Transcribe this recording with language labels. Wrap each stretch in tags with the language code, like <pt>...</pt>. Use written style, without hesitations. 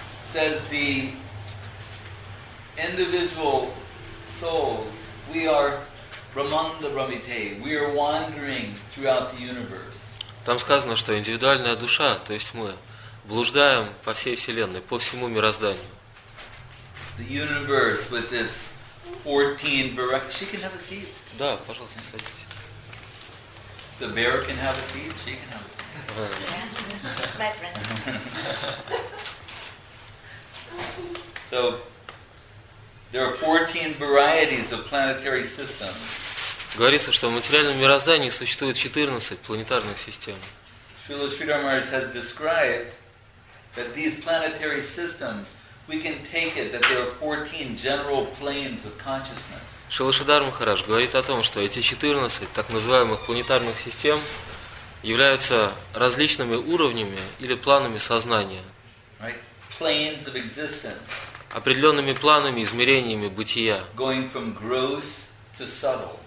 <en>Says the individual souls, we are Brahmanda Brahmite, we are wandering throughout the universe.</en> <ru>Там сказано, что индивидуальная душа, то есть мы, блуждаем по всей вселенной, по всему мирозданию.</ru> <en>The universe with its 14 varieties. She can have a seat.</en> <ru>Да, пожалуйста, садитесь.</ru> <en>The bear can have a seat. She can have a seat. My friend. So there are 14 varieties of planetary systems.</en> <ru>Говорится, что в материальном мироздании существует 14 планетарных систем.</ru> <en>Srila Sridhar Maharaj has described that these planetary systems, we can take it that there are 14 general planes of consciousness.</en> <ru>Srila Sridhar Maharaj говорит о том, что эти 14 так называемых планетарных систем являются различными уровнями или планами сознания.</ru> <en>Right? Planes of existence.</en> <ru>Определенными планами, измерениями бытия.</ru> <en>Going from gross to subtle.</en>